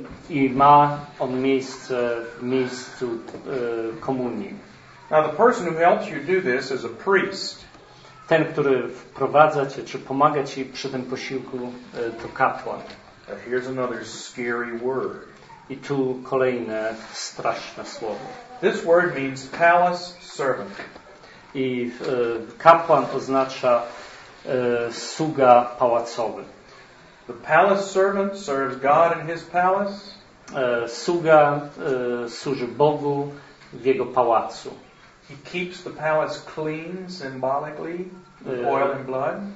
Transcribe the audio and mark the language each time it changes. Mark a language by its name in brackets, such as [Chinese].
[Polish] I ma on miejsce w miejscu komunii. [English] Now the person who helps you do this is a priest. [Polish] Ten, który wprowadza cię czy pomaga ci przy tym posiłku, to kapłan. [English] Here's another scary word. [Polish] I tu kolejne straszne słowo. [English] This word means palace servant. [Polish] I kapłan oznacza sługa pałacowy. [English] The palace servant serves God in his palace. [Polish] Sługa służy Bogu w jego pałacu. [English] He keeps the palace clean symbolically with oil and blood.